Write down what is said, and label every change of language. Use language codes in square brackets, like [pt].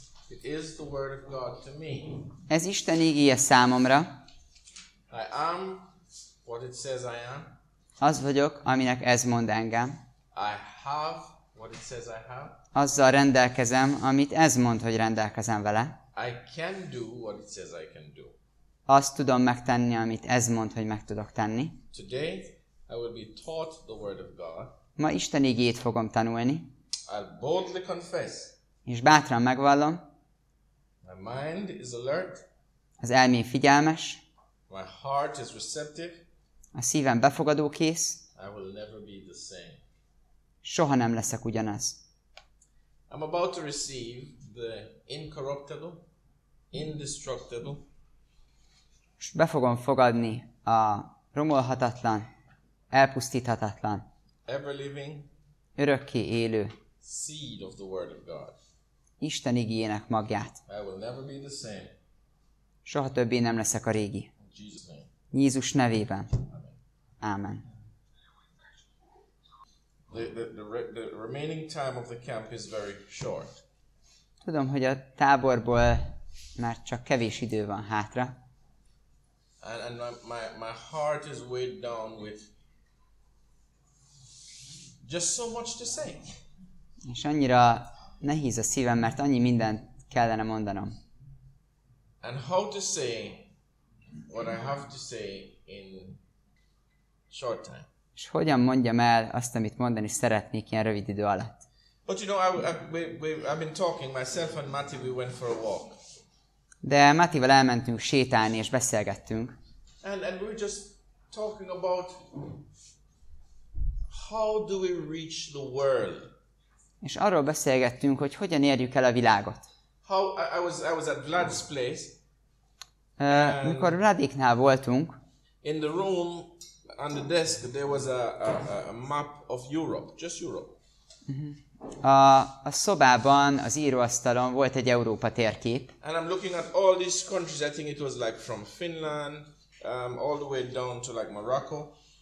[en] It is the word of God to me. [hu] Ez Isten igéje számomra. [en] I am what it says I am. [hu] Az vagyok, aminek ez mond engem. [en] I have what it says I have. [hu] Azzal rendelkezem, amit ez mond, hogy rendelkezem vele. [en] I can do what it says I can do. [hu] Azt tudom megtenni, amit ez mond, hogy meg tudok tenni. [en] Today I will be taught the word of God. [hu] Ma Isten igéjét fogom tanulni. [en] I'll boldly confess. [hu] És bátran megvallom. [en] My mind is alert. [hu] Az elmém figyelmes. [en] My heart is receptive. [hu] A szívem befogadókész. [en] I will never be the same. [hu] Soha nem leszek ugyanaz. [en] I'm about to receive the incorruptible, indestructible. [hu] És be fogom fogadni a romolhatatlan, elpusztíthatatlan, [en] ever living, [hu] örökké élő [en] seed of the word of God. [hu] Isten igéjének magját. [en] I will never be the same. [hu] Soha többé nem leszek a régi. [en] Jesus name. [hu] Jézus nevében. Amen. [en] The remaining time of the camp is very short. [hu] Tudom, hogy a táborból már csak kevés idő van hátra. [en] And my heart is weighed down with just so much to say. [hu] És annyira nehéz a szívem, mert annyi mindent kellene mondanom. [en] And how to say what I have to say in short time. [hu] És hogyan mondjam el azt, amit mondani szeretnék ilyen rövid idő alatt? [en] But you know, I've been talking myself and Matti, we went for a walk. [hu] De Mattival elmentünk sétálni és beszélgettünk. [en] And we were just talking about how do we reach the world? [hu] És arról beszélgettünk, hogy hogyan érjük el a világot. [en] How I was at Vlad's place. [hu] Mikor Vladéknál voltunk. [en] In the room on the desk there was a map of Europe, just Europe. [hu] A szobában, az íróasztalon volt egy Európa térkép. [en] And I'm looking at all these countries. I think it was like from Finland all the way down to like Morocco.